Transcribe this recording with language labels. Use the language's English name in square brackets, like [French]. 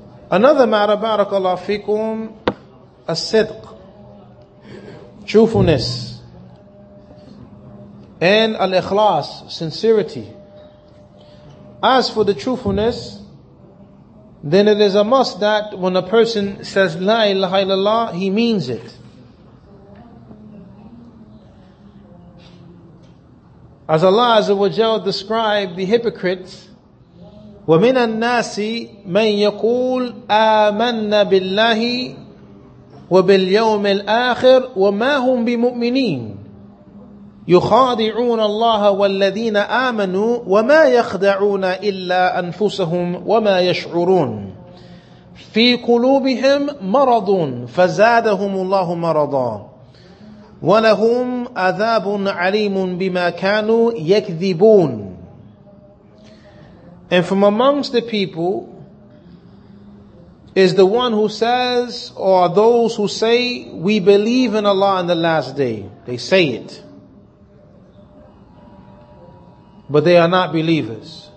[English] Another matter, barakallahu fikum, as-sidq, truthfulness, and al-ikhlas, sincerity. As for the truthfulness, then it is a must that when a person says La ilaha illallah, he means it. As Allah Azza wa Jalla described the hypocrites, [Arabic] وَمِنَ النَّاسِ مَنْ يَقُولُ آمَنَّ بِاللَّهِ وَبِالْيَوْمِ الْآخِرِ وَمَا هُمْ بِمُؤْمِنِينَ يُخَادِعُونَ اللَّهَ وَالَّذِينَ آمَنُوا وَمَا يَخْدَعُونَ إِلَّا أَنفُسَهُمْ وَمَا يَشْعُرُونَ فِي قُلُوبِهِمْ مَرَضٌ فَزَادَهُمُ اللَّهُ مَرَضًا وَلَهُمْ عَذَابٌ عَلِيمٌ بِمَا كَانُوا يَكْذِبُونَ. [English] And from amongst the people is the one who says, or those who say, we believe in Allah in the last day. They say it, but they are not believers.